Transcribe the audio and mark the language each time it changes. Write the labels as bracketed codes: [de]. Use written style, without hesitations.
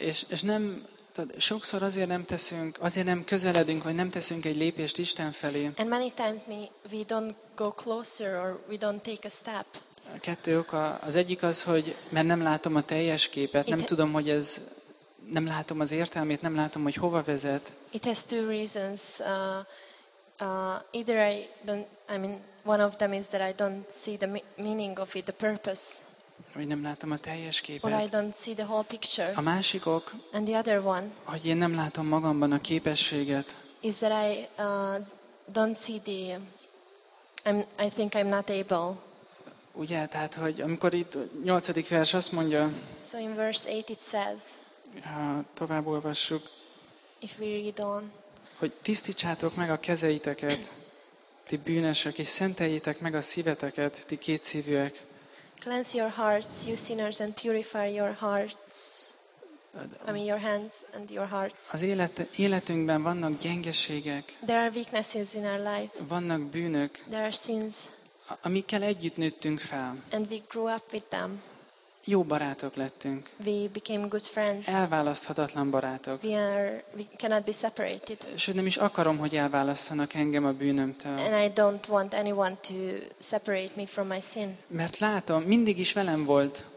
[hu] És nem tehát sokszor azért nem teszünk, azért nem közeledünk, vagy nem teszünk egy lépést Isten felé. [en] And many times we don't go closer or we don't take a step. [hu] A kettő oka, az egyik az, hogy mert nem látom a teljes képet, nem tudom, hogy ez, nem látom az értelmét, nem látom, hogy hova vezet. [en] It has two reasons. Either I don't, I mean, one of them is that I don't see the meaning of it, the purpose. [hu] Hogy nem látom a teljes képet. [en] Or I don't see the whole picture. [hu] A másik ok, [en] and the other one, [hu] hogy én nem látom magamban a képességet. [en] Is that I don't see the, I think I'm not able. [hu] Ugye, tehát, hogy amikor itt nyolcadik vers azt mondja, [en] so in verse 8 it says, [hu] tovább olvassuk, [en] if we read on, [hu] hogy tisztítsátok meg a kezeiteket, ti bűnösök, és szenteljétek meg a szíveteket, ti kétszívűek. [en] Cleanse your hearts, you sinners, and purify your hearts. I mean your hands and your hearts. [hu] Az életünkben vannak gyengeségek. [en] There are weaknesses in our life. [hu] Vannak bűnök. [en] There are sins. [hu] Amikkel együtt nőttünk fel. [en] And we grew up with them. [hu] Jó barátok lettünk. [en] We became good friends. [hu] Elválaszthatatlan barátok. [en] We cannot be separated. [hu] Sőt, nem is akarom, hogy elválasszanak engem a bűnömtől. [en] And I don't want anyone to separate me from my sin. [hu] Mert látom, mindig is velem volt.